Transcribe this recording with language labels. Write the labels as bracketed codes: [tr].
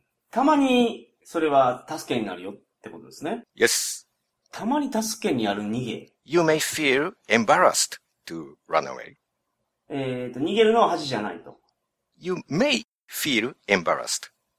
[ja] たまにそれは助けになるよ。ってことですね。 [en] Yes. [ja] たまに助けにある逃げ。 [en] You may feel embarrassed to run away. [ja] 逃げるのは恥じゃないと。 [en] You may feel embarrassed.